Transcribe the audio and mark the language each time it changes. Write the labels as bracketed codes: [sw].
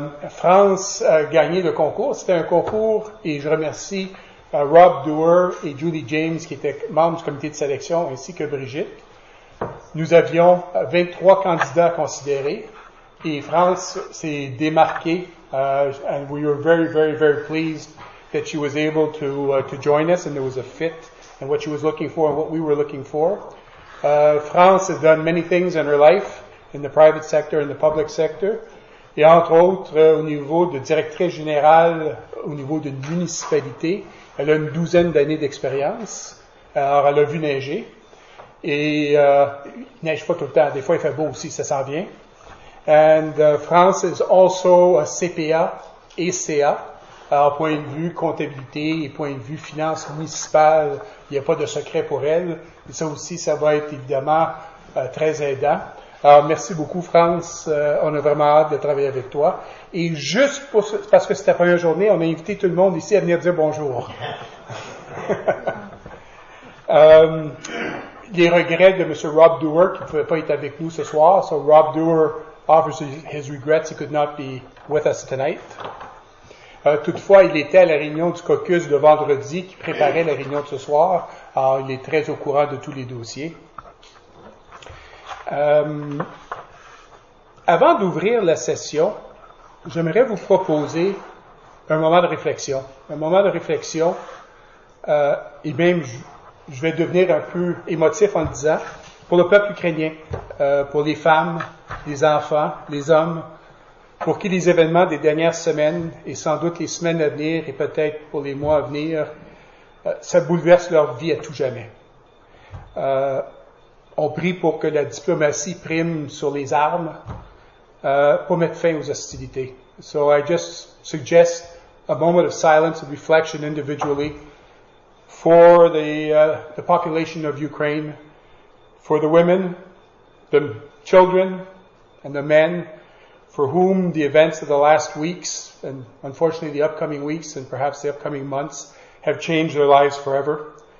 [fr] France a gagné le concours. C'était un concours, et je remercie Rob Dewar et Julie James, qui étaient membres du comité de sélection, ainsi que Brigitte. Nous avions 23 candidats considérés, et France s'est démarquée. [en] And we were very, very, very pleased that she was able to join us, and there was a fit in what she was looking for and what we were looking for. France has done many things in her life, in the private sector, in the public sector, [fr] et entre autres, au niveau de directrice générale, au niveau d'une municipalité, elle a une douzaine d'années d'expérience. Alors, elle a vu neiger, et il neige pas tout le temps. Des fois, il fait beau aussi, ça s'en vient. [en] And France is also a CPA et CA. [fr] Alors, point de vue comptabilité et point de vue finance municipale, il n'y a pas de secret pour elle. Et ça aussi, ça va être évidemment très aidant. Alors, merci beaucoup, France. On a vraiment hâte de travailler avec toi. Et juste pour ce, parce que c'est ta première journée, on a invité tout le monde ici à venir dire bonjour. les regrets de M. Rob Dewar, qui ne pouvait pas être avec nous ce soir. [en] So, Rob Dewar offers his regrets, he could not be with us tonight. [fr] Toutefois, il était à la réunion du caucus de vendredi qui préparait la réunion de ce soir. Alors, il est très au courant de tous les dossiers. Avant d'ouvrir la session, j'aimerais vous proposer un moment de réflexion. Un moment de réflexion, et même je vais devenir un peu émotif en le disant, pour le peuple ukrainien, pour les femmes, les enfants, les hommes, pour qui les événements des dernières semaines et sans doute les semaines à venir et peut-être pour les mois à venir, ça bouleverse leur vie à tout jamais. On prie pour que la diplomatie prime sur les armes pour mettre fin aux hostilités. [en] So I just suggest a moment of silence and reflection individually for the population of Ukraine, for the women, the children, and the men for whom the events of the last weeks, and unfortunately the upcoming weeks and perhaps the upcoming months, have changed their lives forever.